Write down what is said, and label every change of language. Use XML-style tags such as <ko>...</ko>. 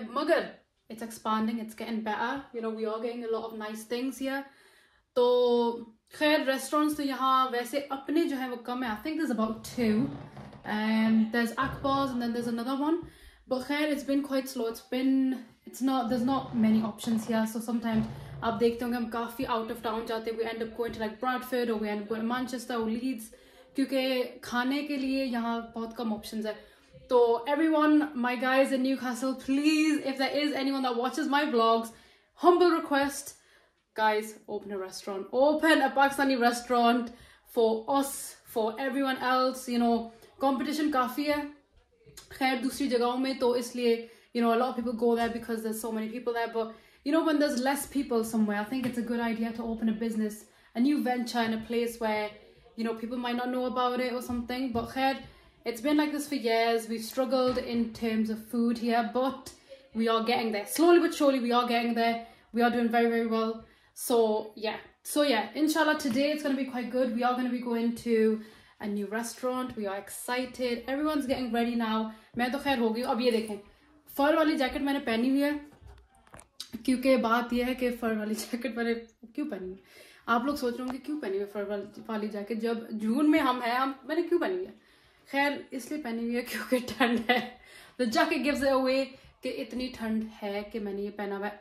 <en>Magar, it's expanding, it's getting better. You know, we are getting a lot of nice things here.</en> <hi>So, khair, restaurants to yahan, waise apne jo hai, wo kam hai.</hi> <en>I think there's about two. There's Akbar's and then there's another one. But khair, it's been quite slow. There's not many options here. So sometimes,</en> <hi>आप देखते होंगे हम काफ़ी out of town जाते हैं.</hi> <en>we end up going to like Bradford</en> <hi>और</hi> <en>we end up going to Manchester</en> <hi>और Leeds, क्योंकि खाने के लिए यहाँ बहुत कम ऑप्शंस है.</hi> <en>तो everyone, my guys in Newcastle, please if there is anyone that watches my vlogs, humble request guys, open a restaurant, open a Pakistani restaurant for us, for everyone else. You know competition</en> <hi>काफ़ी है खैर दूसरी जगहों में, तो इसलिए</hi> <en>You know a lot of people go there because there so many people there. You know, when there's less people somewhere, I think it's a good idea to open a business, a new venture in a place where, you know, people might not know about it or something. But khair, it's been like this for years. We've struggled in terms of food here, but we are getting there. Slowly but surely, we are getting there. We are doing very, very well. So yeah, inshallah, today it's going to be quite good. We are going to be going to a new restaurant. We are excited. Everyone's getting ready now.</en> <hi>Main to khair ho gayi. Ab ye dekhen, fur wali jacket maine pehni hui hai. क्योंकि बात यह है कि फर वाली jacket मैंने क्यों पहनी है. आप लोग सोच रहे होंगे क्यों पहनी हुई फर वाली जैकेट जब जून में हम मैंने क्यों पहनी है. खैर इसलिए पहनी हुई है क्योंकि ठंड है.</hi> <en>the jacket gives it away</en> <hi>कि इतनी ठंड है कि मैंने ये पहना हुआ है.</hi>